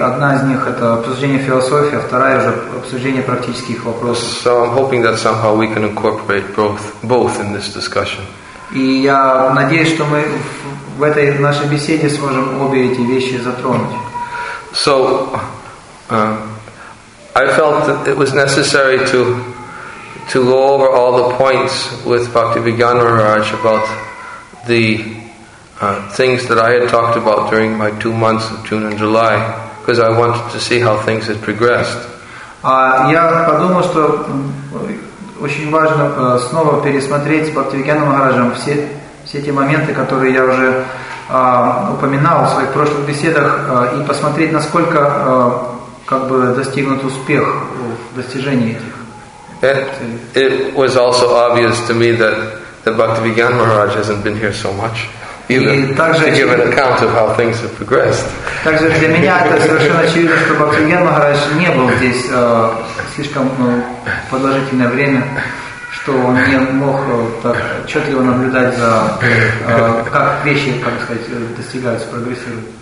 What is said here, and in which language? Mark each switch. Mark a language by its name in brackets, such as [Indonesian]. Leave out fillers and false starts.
[Russian] Одна из них — это обсуждение философии, а вторая уже обсуждение практических вопросов. [English] So I'm hoping that somehow we can incorporate both in this discussion. [Russian] И я надеюсь, что мы в этой нашей беседе сможем обе эти вещи затронуть. [English] So I felt that it was necessary to go over all the points with Bhaktivedanta Maharaj about the things that I had talked about during my 2 months of June and July, because I wanted to see how things had progressed. [Russian] Я подумал, что очень важно снова пересмотреть с Бхактивиданом Махараджем все те моменты, которые я уже упоминал в своих прошлых беседах, и посмотреть, насколько как бы достигнут успех в достижении этих. [English] It was also obvious to me that Bhaktivedanta Maharaj hasn't been here so much either, to give an account of how things have progressed. [Russian] Также для меня это совершенно очевидно, что Бхактивиданта Махарадж не был здесь слишком продолжительное время, что он не мог так четко наблюдать за как вещи, как сказать, достигаются, прогрессируют.